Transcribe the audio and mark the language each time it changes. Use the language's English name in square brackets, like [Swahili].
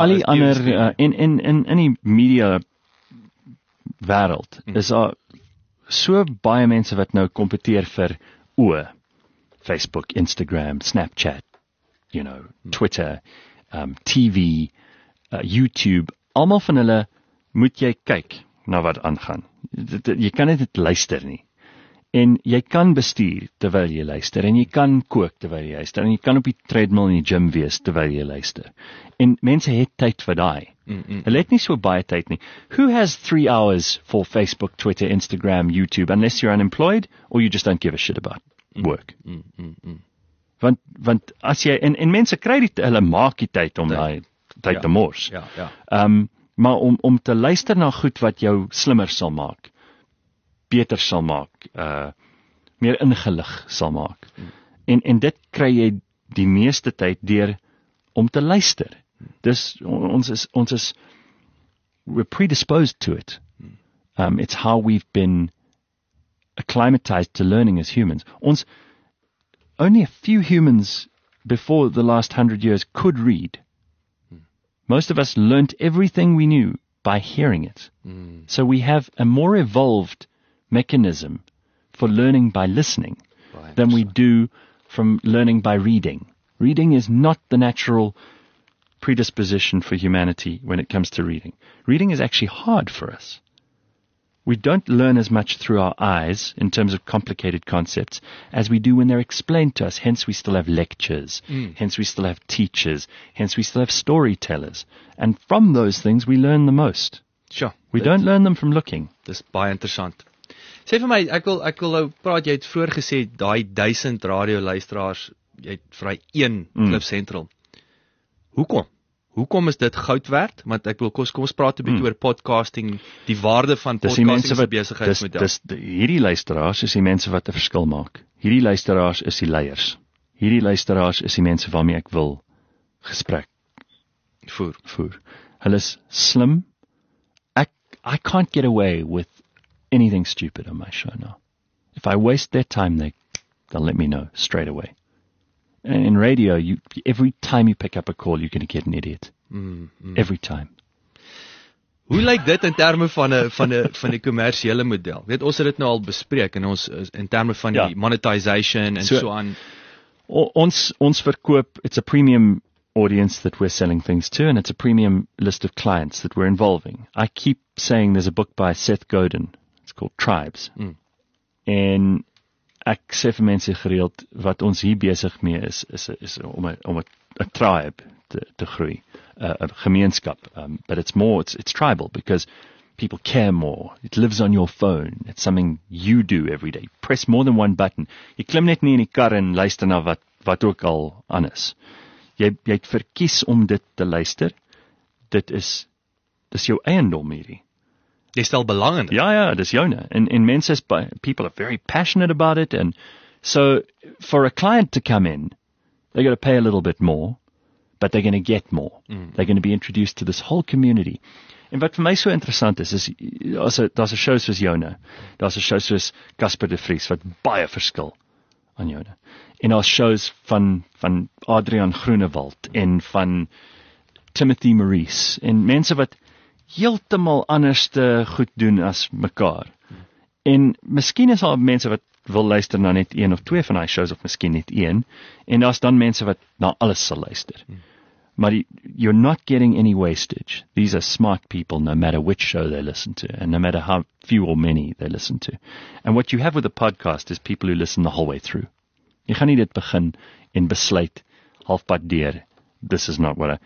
[Afrikaans] Al die ander, in die media wereld, is daar so baie mense wat nou kompeteer vir oor, Facebook, Instagram, Snapchat, [English] you know, [Afrikaans] Twitter, TV, YouTube, almal van hulle moet jy kyk na wat aangaan. Jy kan dit luister nie. En jy kan bestuur terwyl jy luister, en jy kan kook terwyl jy luister, en jy kan op die treadmill in die gym wees terwyl jy luister. En mense het tyd vir daai. Hulle het nie so baie tyd nie. [English] Who has 3 hours for Facebook, Twitter, Instagram, YouTube, unless you're unemployed, or you just don't give a shit about work? [Afrikaans] Want as jy, en mense kry die, hulle maak die tyd om daai tyd te mors. Maar om te luister na goed wat jou slimmer sal maak, beter sal maak, meer ingelig sal maak. En dit kry jy die meeste tyd deur om te luister. Dus ons is, [English] we're predisposed to it. It's how we've been acclimatized to learning as humans. [Afrikaans] Ons, [English] only a few humans before the last 100 years could read. Most of us learnt everything we knew by hearing it. So we have a more evolved mechanism for learning by listening than we do from learning by reading. Reading is not the natural predisposition for humanity when it comes to reading. Reading is actually hard for us. We don't learn as much through our eyes in terms of complicated concepts as we do when they're explained to us. Hence, we still have lectures. Hence, we still have teachers. Hence, we still have storytellers. And from those things, we learn the most. Sure. We don't learn them from looking. [Afrikaans] Dis baie interessant. Sê vir my, ek wil nou praat, jy het vroeger gesê, daai 1000 radio luisteraars, jy het vir een Klif Central. Hoekom? Hoekom is dit goud werd? Want ek wil, kom ons praat een beetje oor podcasting, die waarde van podcasting besigheidsmodel. Hierdie luisteraars is die mense wat 'n verskil maak. Hierdie luisteraars is die leiers. Hierdie luisteraars is die mense waarmee ek wil gesprek. Voer. Hulle is slim. [English] I can't get away with anything stupid on my show now. If I waste their time, they'll let me know straight away. And in radio, every time you pick up a call, you're going to get an idiot. Every time. [Afrikaans] Hoe lyk dit in terme van die kommersiële model? Weet, ons het dit nou al bespreek in terme van die monetization en so aan. Ons verkoop, [English] it's a premium audience that we're selling things to, and it's a premium list of clients that we're involving. I keep saying there's a book by Seth Godin, it's called Tribes. [Afrikaans] En ek sê vir mense gereeld, wat ons hier besig mee is om 'n tribe te groei. a gemeenskap. [English] But it's more, it's tribal because people care more. It lives on your phone. It's something you do every day. You press more than one button. [Afrikaans] Jy klim net nie in die kar en luister na wat ook al aan is. Jy het verkies om dit te luister. Dit is jou eiendom hierdie. Jy stel belang in dit. Ja, dis joune. En mense is, [English] people are very passionate about it. And so for a client to come in, they're going to pay a little bit more, but they're going to get more. Mm. They're going to be introduced to this whole community. [Afrikaans] En wat vir my so interessant is daar's 'n show soos Jona, daar's 'n show soos Casper de Vries, wat baie verskil aan Jona. En daar's shows van Adrian Groenewald en van Timothy Maurice, en mense wat heeltemal anders te goed doen as mekaar. En miskien is daar mense wat wil luister na net een of twee van die shows, of miskien net een, en daar's dan mense wat na alles sal luister. [English] But you're not getting any wastage. These are smart people, no matter which show they listen to, and no matter how few or many they listen to. And what you have with a podcast is people who listen the whole way through. [Afrikaans] Jy gaan nie dit begin en besluit halfpad deur, [English] this is not what I...